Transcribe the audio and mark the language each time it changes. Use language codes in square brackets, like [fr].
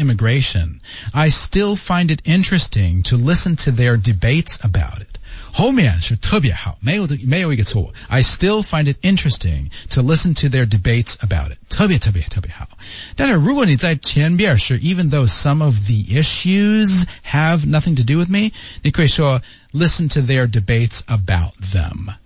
[en] immigration, I still find it interesting to listen to their debates about it. [zh] 后面是特别好，没有一个错。 [en] I still find it interesting to listen to their debates about it. [zh] 特别特别特别好。但是如果你在前边是 [en] even though some of the issues have nothing to do with me, [zh] 你可以说 [en] listen to their debates about them.